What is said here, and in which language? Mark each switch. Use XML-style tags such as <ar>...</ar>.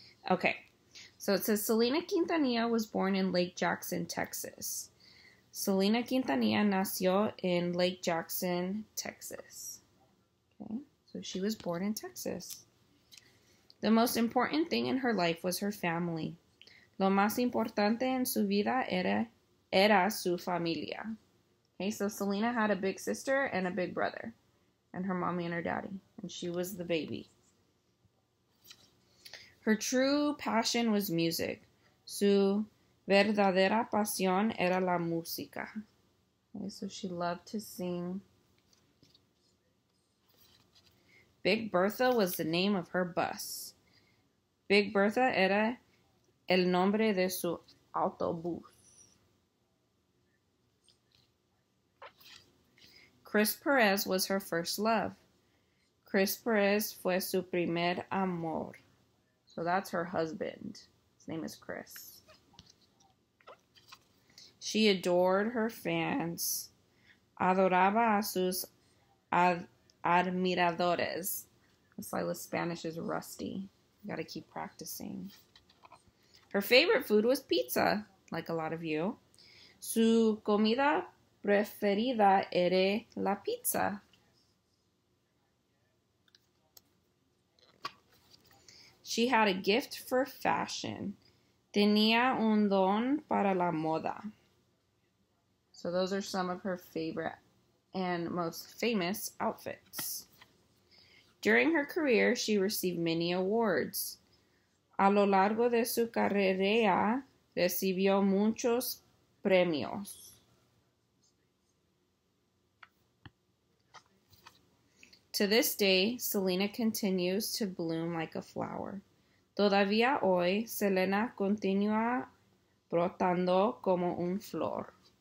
<en>Okay, so it says Selena Quintanilla was born in Lake Jackson, Texas.</en> <es>Selena Quintanilla nació en Lake Jackson, Texas.</es> <en>Okay, so she was born in Texas. The most important thing in her life was her family.</en> <es>Lo más importante en su vida era su familia.</es> <en>Okay, so Selena had a big sister and a big brother, and her mommy and her daddy, and she was the baby. Her true passion was music.</en> <es>Su verdadera pasión era la música.</es> <en>Okay, so she loved to sing. Big Bertha was the name of her bus.</en> <es>Big Bertha era el nombre de su autobús.</es> <en>Chris Perez was her first love.</en> <es>Chris Perez fue su primer amor.</es> <en>So that's her husband. His name is Chris. She adored her fans.</en> <es>Adoraba a sus ad admiradores.</es> <en>Silas' Spanish is rusty. You gotta keep practicing. Her favorite food was pizza, like a lot of you.</en> <es>Su comida preferida era la pizza.</es> <en>She had a gift for fashion.</en> <es>Tenía un don para la moda.</es> <en>So those are some of her favorite and most famous outfits. During her career, she received many awards.</en> <es>A lo largo de su carrera, recibió muchos premios.</es> <en>To this day, Selena continues to bloom like a flower.</en> <es>Todavía hoy, Selena continúa brotando como un flor.</es>